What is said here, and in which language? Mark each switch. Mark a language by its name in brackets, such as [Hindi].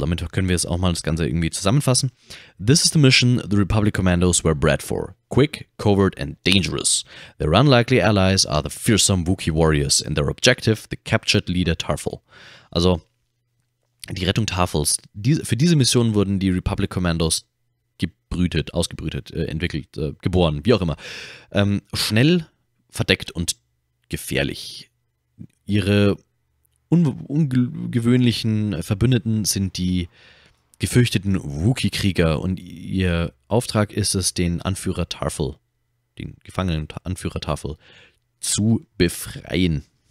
[German] Damit können wir es auch mal das Ganze irgendwie zusammenfassen. [English] This is the mission the Republic Commandos were bred for. Quick, covert and dangerous. Their unlikely allies are the fearsome Wookiee Warriors and their objective, the captured leader Tarful. [German] Also, die Rettung Tarfuls. Für diese Mission wurden die Republic Commandos gebrütet, ausgebrütet, entwickelt, geboren, wie auch immer. Schnell, verdeckt und gefährlich. Ihre ungewöhnlichen Verbündeten sind die gefürchteten Wookiee-Krieger und ihr Auftrag ist es, den Anführer Tarful, den gefangenen Anführer Tarful, zu befreien.